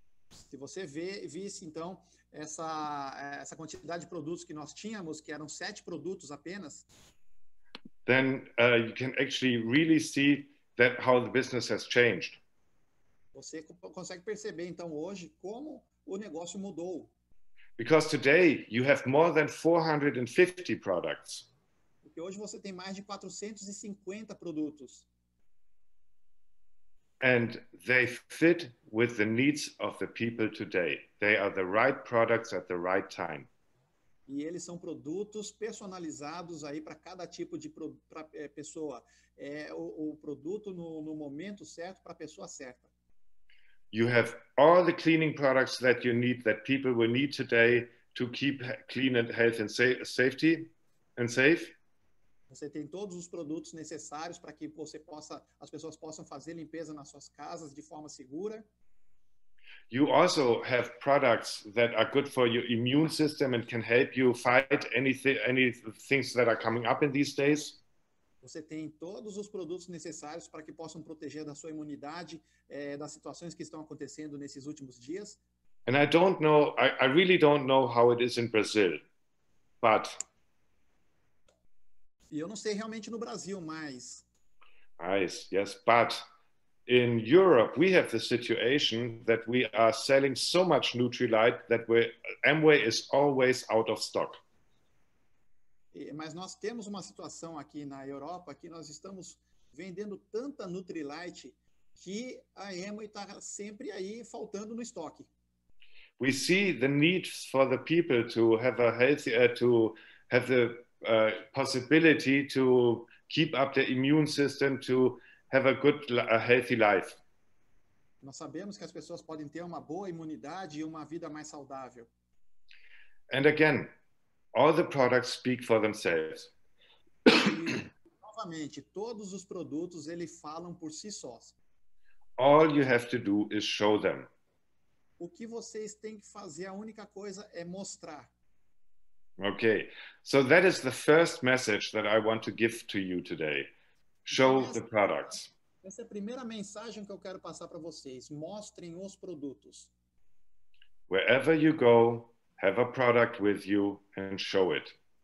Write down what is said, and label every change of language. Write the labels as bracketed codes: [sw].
[pt] Se você visse, então, essa quantidade de produtos que nós tínhamos, que eram 7 produtos apenas, [en] then you can actually really see that how the business has changed. [pt] Você consegue perceber, então, hoje, como o negócio mudou. [en] Because today you have more than 450 products. [pt] Porque hoje você tem mais de 450 produtos. [en] And they fit with the needs of the people today. They are the right products at the right time. [pt] E eles são produtos personalizados aí para cada tipo de pessoa. É o produto no momento certo para a pessoa certa. [en] You have all the cleaning products that you need, that people will need today to keep clean and health and safety and safe. [pt] Você tem todos os produtos necessários para que você possa, as pessoas possam fazer limpeza nas suas casas de forma segura. [en] You also have products that are good for your immune system and can help you fight any things that are coming up in these days. [pt] Você tem todos os produtos necessários para que possam proteger da sua imunidade, das situações que estão acontecendo nesses últimos dias. [en] And I don't know, I really don't know how it is in Brazil, but... [pt] E eu não sei realmente no Brasil, mas... [en] Nice, yes, but in Europe we have the situation that we are selling so much Nutrilite that Amway is always out of stock. [pt] Mas nós temos uma situação aqui na Europa que nós estamos vendendo tanta Nutrilite que a Amway está sempre aí faltando no estoque. [en] We see the needs for the people to have a healthy, to have the possibility to keep up their immune system, to have a good, a healthy life. [pt] Nós sabemos que as pessoas podem ter uma boa imunidade e uma vida mais saudável. [en] And again, all the products speak for themselves. [pt] Novamente, todos os produtos eles falam por si sós. [en] All you have to do is show them. [pt] O que vocês têm que fazer, a única coisa é mostrar. [en] Okay. So that is the first message that I want to give to you today. Show the products. [pt] Essa é a primeira mensagem que eu quero passar para vocês. Mostrem os produtos. [en] Wherever you go, have a product with you and show it.